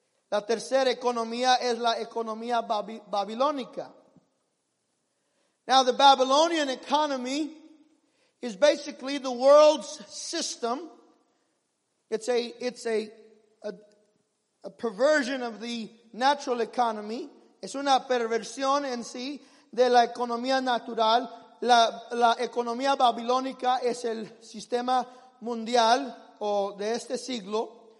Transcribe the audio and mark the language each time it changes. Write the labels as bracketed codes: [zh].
[es] La tercera economía es la economía babilónica. [en] Now the Babylonian economy is basically the world's system. It's a perversion of the natural economy. [es] Es una perversión en sí de la economía natural. La economía babilónica es el sistema mundial o de este siglo.